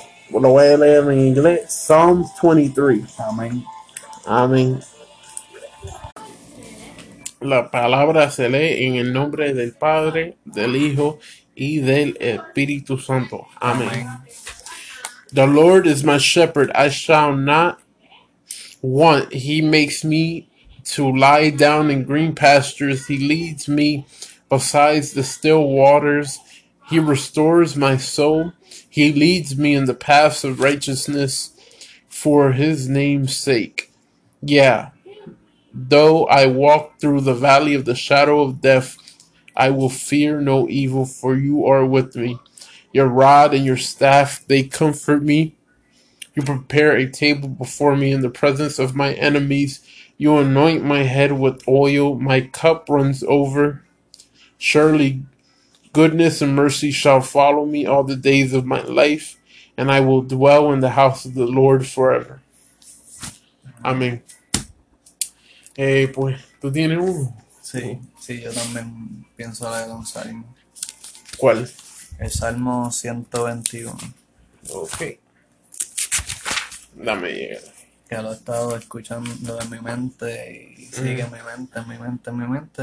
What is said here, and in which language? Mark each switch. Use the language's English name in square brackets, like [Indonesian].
[Spanish] Lo voy a leer en inglés. Psalms 23. Amén. Amén. La palabra se lee en el nombre del Padre, del Hijo y del Espíritu Santo. Amén. Amén. [English] The Lord is my shepherd, I shall not want. He makes me to lie down in green pastures. He leads me beside the still waters. He restores my soul. He leads me in the paths of righteousness for his name's sake. Yeah. Though I walk through the valley of the shadow of death, I will fear no evil, for you are with me. Your rod and your staff, they comfort me. You prepare a table before me in the presence of my enemies. You anoint my head with oil. My cup runs over. Surely goodness and mercy shall follow me all the days of my life, and I will dwell in the house of the Lord forever. [Spanish] Amén. Pues, ¿tú tienes uno? Sí, sí, yo también pienso leer un salmo. ¿Cuál? El Salmo 121. Ok. Dame llegar. Que lo he estado escuchando en mi mente y sigue mi mente, en mi mente, en mi mente.